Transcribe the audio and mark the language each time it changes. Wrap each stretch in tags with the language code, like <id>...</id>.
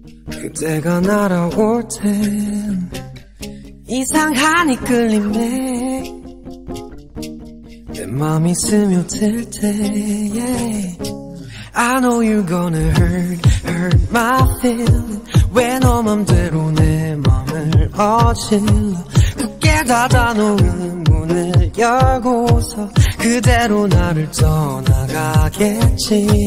<ko>그대가 날아올 땐 이상한 이끌림에 내 맘이 스며들 때.</ko> <en>Yeah. I know you're gonna hurt my feelings.</en> <ko>왜 너 맘대로 내 맘을 어질러. 굳게 닫아놓은 문을 열고서 그대로 나를 떠나가겠지.</ko>